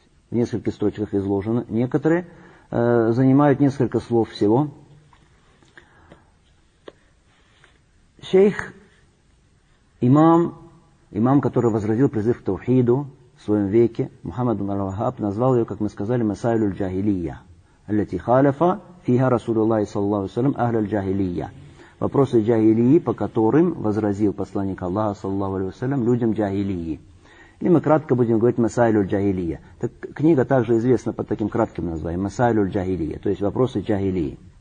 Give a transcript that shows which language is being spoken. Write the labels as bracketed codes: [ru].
[ru] В нескольких строчках изложено. Некоторые занимают несколько слов всего. Шейх, имам, который возродил призыв к таухиду в своем веке, Мухаммад ибн аль-Вахаб, назвал ее, как мы сказали, «масаилю аль-джахилия». [ar] التي خالف فيها رسول الله صلى الله عليه وسلم أهل الجاهلية. [ru] Вопросы джахилии, по которым возразил посланник Аллаха [ar] صلى الله عليه وسلم [ru] людям джахилии. Или мы кратко будем говорить масайлю джахилия. Так книга также известна под таким кратким названием масайлю джахилия, то есть вопросы джахилии.